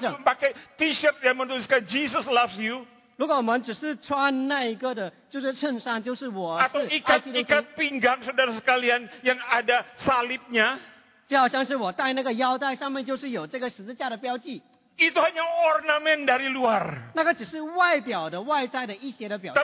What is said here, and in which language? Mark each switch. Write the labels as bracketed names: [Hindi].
[Indonesian] memakai t-shirt yang menuliskan [English] Jesus loves you, [Chinese] 如果我们只是穿那一个的,就是衬衫, 就是我是, [Indonesian] atau ikat pinggang saudara sekalian yang ada salibnya, [Chinese] 就好像是我带那个腰带上面就是有这个十字架的标记, [Indonesian] itu hanya ornamen dari luar. [Chinese] 那个只是外表的,外在的一些的表现.